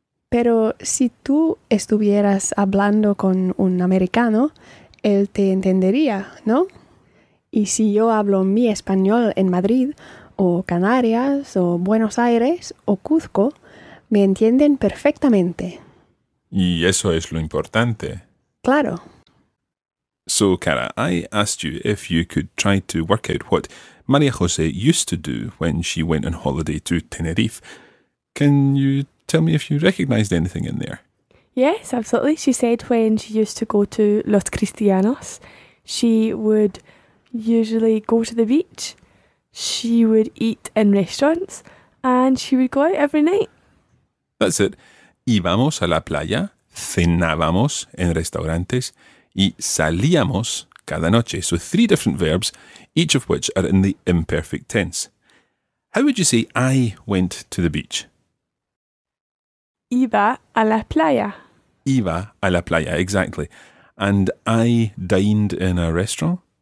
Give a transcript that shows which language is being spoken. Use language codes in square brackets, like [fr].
[es] Pero si tú estuvieras hablando con un americano, él te entendería, ¿no? Y si yo hablo mi español en Madrid, o Canarias, o Buenos Aires, o Cuzco, me entienden perfectamente. Y eso es lo importante. Claro. [en] So, Cara, I asked you if you could try to work out what María José used to do when she went on holiday to Tenerife. Can you tell me if you recognised anything in there? Yes, absolutely. She said when she used to go to Los Cristianos, she would usually go to the beach, she would eat in restaurants, and she would go out every night. That's it. [es] Íbamos a la playa, cenábamos en restaurantes, y salíamos cada noche. [en] So three different verbs, each of which are in the imperfect tense. How would you say I went to the beach? [es] Iba a la playa. Iba a la playa, [en] exactly. And I dined in a restaurant?